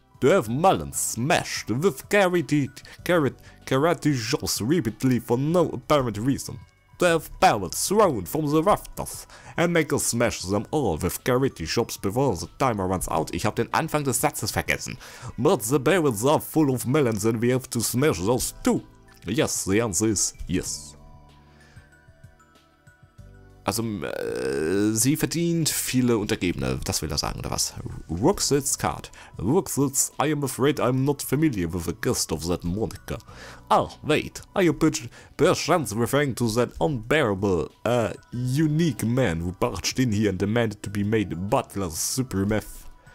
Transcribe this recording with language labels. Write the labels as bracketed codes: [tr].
[en] To have melons smashed with karate jaws repeatedly for no apparent reason. To have parrots thrown from the rafters and make us smash them all with karate jaws before the timer runs out. [de] Ich hab den Anfang des Satzes vergessen. [en] But the barrels are full of melons and we have to smash those too. Yes, the answer is yes. [de] Also, sie verdient viele Untergebene, das will er sagen, oder was? [en] Rooksitz Card. Rooksitz, I am afraid I am not familiar with the guest of that moniker. Ah, wait, are you perchance referring to that unbearable, unique man who barged in here and demanded to be made butler's supreme F?